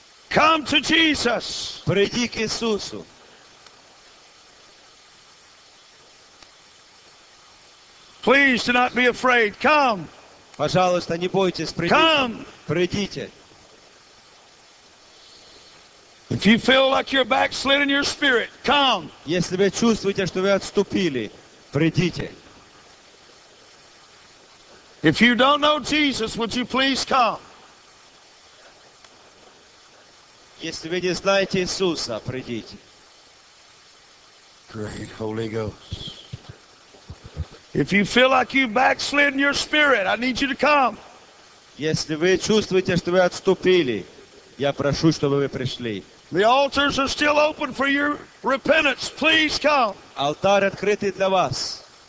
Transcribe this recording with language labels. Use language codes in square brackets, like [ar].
[en] Come to Jesus. [ru] Приди к Иисусу. [en] Please do not be afraid. Come. [ru] Пожалуйста, не бойтесь, придите. [en] Come. [ru] Придите. [en] If you feel like you're backslidden in your spirit, come. [ru] Если вы чувствуете, что вы отступили, придите. [en] If you don't know Jesus, would you please come? [ru] Если вы не знаете Иисуса, придите. [en] Great Holy Ghost. If you feel like you backslid in your spirit, I need you to come. [ru] Если вы чувствуете, что вы отступили, я прошу, чтобы вы пришли. [en] The altars are still open for your repentance. Please come. [ru] Алтарь открытый для вас.